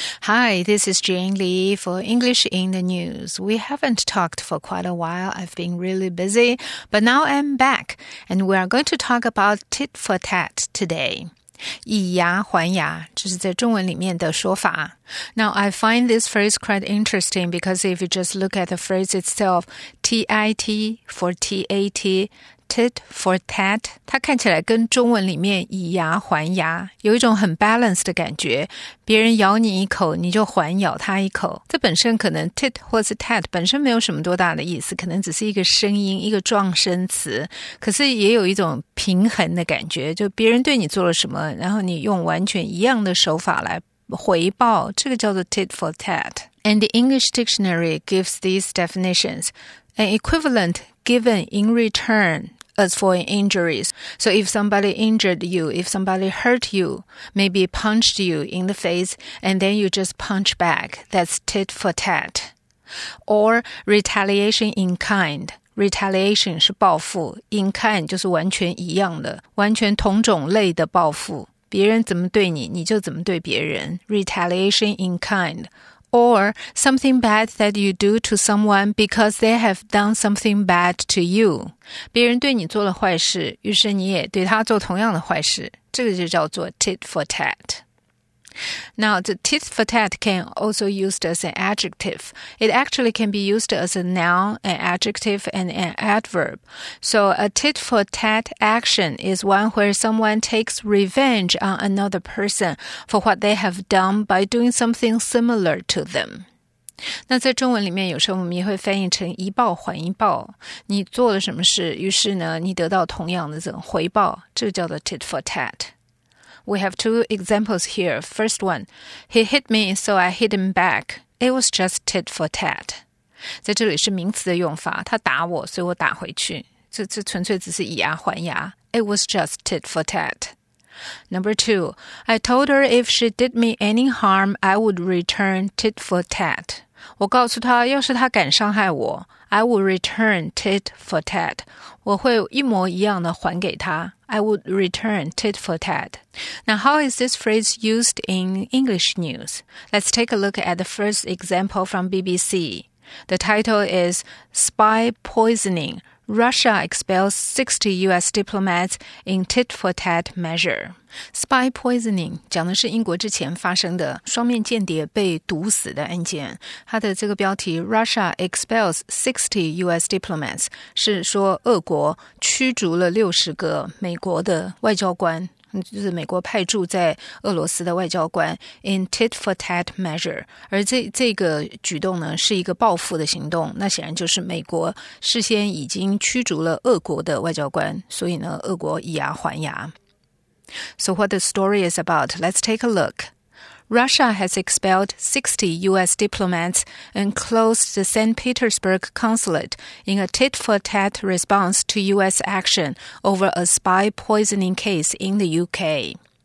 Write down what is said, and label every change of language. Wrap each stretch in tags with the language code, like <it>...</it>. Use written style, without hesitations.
<en>Hi, this is Jane Lee for English in the News. We haven't talked for quite a while. I've been really busy, but now I'm back, and we are going to talk about tit for tat today.</en> <zh>以牙还牙，这是在中文里面的说法。</zh> <en>Now, I find this phrase quite interesting because if you just look at the phrase itself, T-I-T for T-A-T,Tit for tat,</en> <zh>它看起来跟中文里面以牙还牙，有一种很 balanced 的感觉，别人咬你一口，你就还咬他一口。这本身可能 tit 或是 tat 本身没有什么多大的意思，可能只是一个声音，一个撞声词，可是也有一种平衡的感觉，就别人对你做了什么，然后你用完全一样的手法来回报，这个叫做 tit for tat.</zh> <en>And the English Dictionary gives these definitions, an equivalent given in return. As for injuries, so if somebody injured you, if somebody hurt you, maybe punched you in the face, and then you just punch back, that's tit for tat. Or retaliation in kind.</en> <zh>Retaliation 是报复 ,in kind 就是完全一样的,完全同种类的报复。别人怎么对你,你就怎么对别人。</zh> <en>Retaliation in kind. Or something bad that you do to someone because they have done something bad to you.</en> <zh>别人对你做了坏事，于是你也对他做同样的坏事，这个就叫做 tit for tat.</zh> <en>Now, the tit for tat can also be used as an adjective. It actually can be used as a noun, an adjective, and an adverb. So a tit for tat action is one where someone takes revenge on another person for what they have done by doing something similar to them.</en> <zh>那在中文里面有时候我们也会翻译成一报还一报。你做了什么事，于是呢，你得到同样的这种回报，这个叫做 tit for tat。</zh> <en>We have two examples here. First one, he hit me, so I hit him back. It was just tit for tat.</en> <zh>在这里是名词的用法，他打我，所以我打回去。这纯粹只是以牙还牙。</zh> <en>It was just tit for tat. Number two, I told her if she did me any harm, I would return tit for tat.</en> <zh>我告诉她，要是她敢伤害我 ，</zh> <en>I would return tit for tat.</en> <zh>我会一模一样的还给她。</zh> <en>I would return tit for tat. Now, how is this phrase used in English news? Let's take a look at the first example from BBC. The title is Spy Poisoning. Russia expels 60 U.S. diplomats in tit for tat measure.</en> <zh>Spy poisoning 讲的是英国之前发生的双面间谍被毒死的案件。它的这个标题</zh> <en>Russia expels 60 U.S.</en> <zh>diplomats 是说俄国驱逐了60个美国的外交官，就是美国派驻在俄罗斯的外交官</zh> <en>in tit for tat measure.</en> <zh>而这个举动呢是一个报复的行动，那显然就是美国事先已经驱逐了俄国的外交官，所以呢俄国以牙还牙。</zh> <en>So what the story is about, let's take a look. Russia has expelled 60 U.S. diplomats and closed the St. Petersburg consulate in a tit-for-tat response to U.S. action over a spy poisoning case in the U.K.</en>